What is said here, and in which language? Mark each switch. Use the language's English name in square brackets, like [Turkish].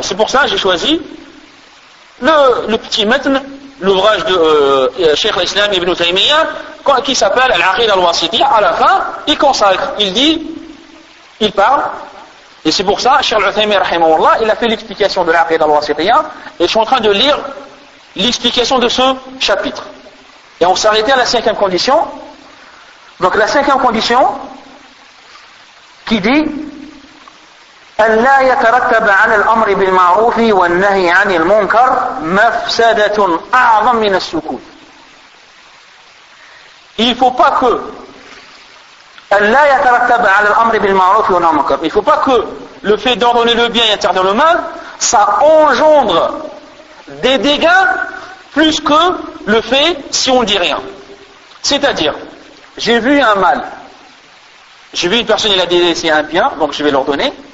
[French] C'est pour ça que j'ai choisi le petit maître, l'ouvrage de Cheikh l'Islam Ibn Taymiyyah, qui s'appelle Al-Aqid al-Wasitiyah, à la fin, il consacre, il dit, il parle, et c'est pour ça, Cheikh l'Uthaymiyyah, rahimahullah, il a fait l'explication de l'Aqid al-Wasitiyah, et je suis en train de lire l'explication de ce chapitre. Et on s'est arrêté à la cinquième condition. Donc la cinquième condition, qui dit [Arabic] أن لا يترتب على الأمر بالمعروف والنهي عن المنكر مفسدة أعظم من السكوت. [French] Il ne faut pas que [Arabic] أن لا يترتب على الأمر بالمعروف والنهي عن المنكر. [French] Il ne faut pas que le fait d'ordonner le bien et interdire le mal, ça engendre des dégâts plus que le fait si on ne dit rien. C'est-à-dire, j'ai vu un mal, j'ai vu une personne, il a délaissé un bien, donc je vais l'ordonner.